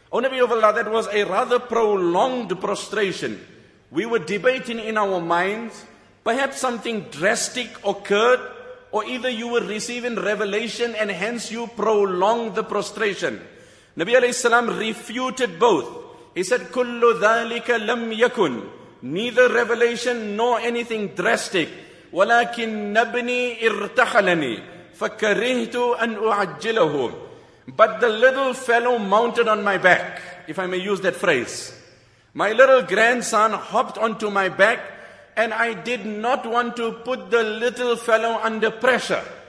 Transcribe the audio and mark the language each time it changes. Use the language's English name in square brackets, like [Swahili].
[English] O Nabi of Allah, that was a rather prolonged prostration. We were debating in our minds, perhaps something drastic occurred, or either you were receiving revelation and hence you prolonged the prostration. Nabi alayhi salam refuted both. He said, [Arabic] كُلُّ ذَلِكَ لَمْ يَكُنْ. [English] Neither revelation nor anything drastic. [Arabic] وَلَكِنْ نَبْنِي إِرْتَحَلَنِي فَكَرِهْتُ أَنْ أُعَجِّلَهُ. [English] But the little fellow mounted on my back, if I may use that phrase. My little grandson hopped onto my back and I did not want to put the little fellow under pressure.